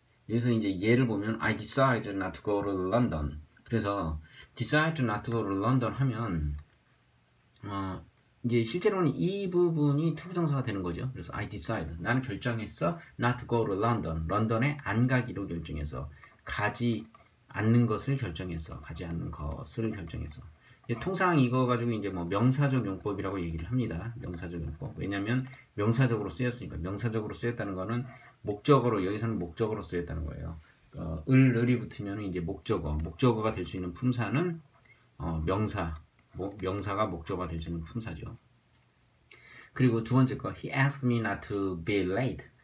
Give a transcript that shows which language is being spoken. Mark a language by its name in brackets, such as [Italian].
[Korean] 여기서 이제 예를 보면 [English] I decide not to go to London. [Korean] 그래서 [English] decide not to go to London [Korean] 하면 이제 실제로는 이 부분이 투부정사가 되는 거죠. 그래서 [English] I decide [Korean] 나는 결정했어 [English] not to go to London. [Korean] 런던에 안 가기로 결정해서 가지 않는 것을 결정했어. 가지 않는 것을 결정했어. 예, 통상 이거 가지고 이제 뭐 명사적 용법이라고 얘기를 합니다. 명사적 용법. 왜냐면 명사적으로 쓰였으니까. 명사적으로 쓰였다는 거는 목적어로, 여기서는 목적어로 쓰였다는 거예요. 을이 붙으면 이제 목적어. 목적어가 될수 있는 품사는 명사. 뭐, 명사가 목적어가 될수 있는 품사죠. 그리고 두 번째 거. [English] He asked me not to be late.